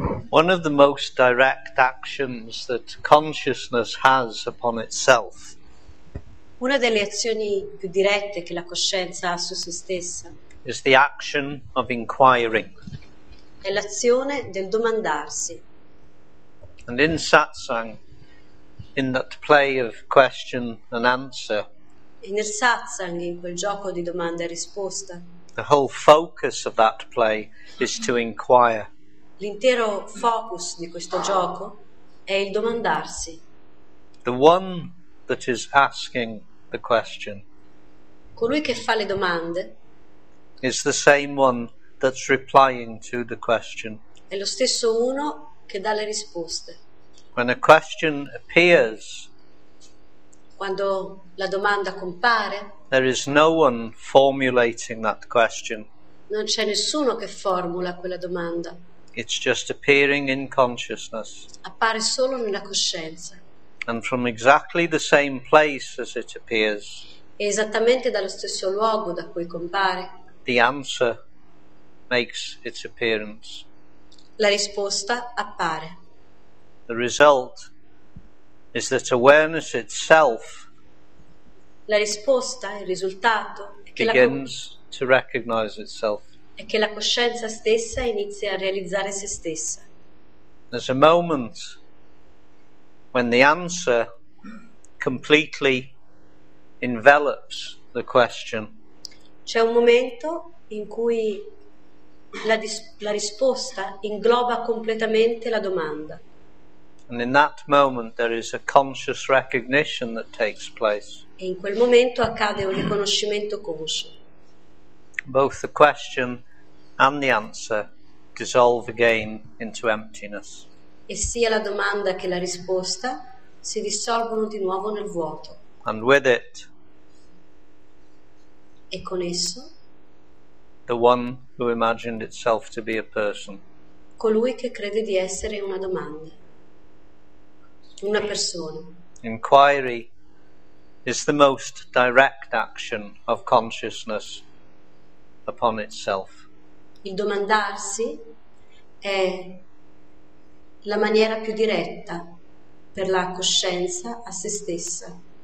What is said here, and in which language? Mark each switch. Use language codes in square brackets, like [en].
[en] One of the most direct actions that consciousness has upon itself. [it] Una delle azioni più dirette che la coscienza ha su se stessa [en] Is the action of inquiring. [it] è l'azione del domandarsi. [en] And in satsang, in that play of question and answer, [it] E nel satsang, in quel gioco di domanda e risposta, [en] the whole focus of that play is to inquire. [it] L'intero focus di questo gioco è il domandarsi. [en] The one that is asking the question [it] Colui che fa le domande [en] is the same one that's replying to the question. [it] è lo stesso uno che dà le risposte. [en] When a question appears, [it] Quando la domanda compare, [en] there is no one formulating that question. [it] Non c'è nessuno che formula quella domanda. [en] It's just appearing in consciousness. [it] Appare solo nella coscienza. [en] And from exactly the same place as it appears, [it] È esattamente dallo stesso luogo da cui compare. [en] the answer makes its appearance. [it] La risposta appare. [en] The result is that awareness itself [it] La risposta, il risultato, [en] begins to recognize itself. [it] È che la coscienza stessa inizia a realizzare se stessa. [en] There's a moment when the answer completely envelops the question. [it] C'è un momento in cui la risposta ingloba completamente la domanda. [en] And in that moment there is a conscious recognition that takes place. [it] E in quel momento accade un riconoscimento conscio. [en] Both the question and the answer dissolve again into emptiness. [it] E sia la domanda che la risposta si dissolvono di nuovo nel vuoto. [en] And with it, [it] E con esso, [en] the one who imagined itself to be a person. [it] Colui che crede di essere una domanda, una persona. [en] Inquiry is the most direct action of consciousness upon itself. [it] Il domandarsi è la maniera più diretta per la coscienza a se stessa.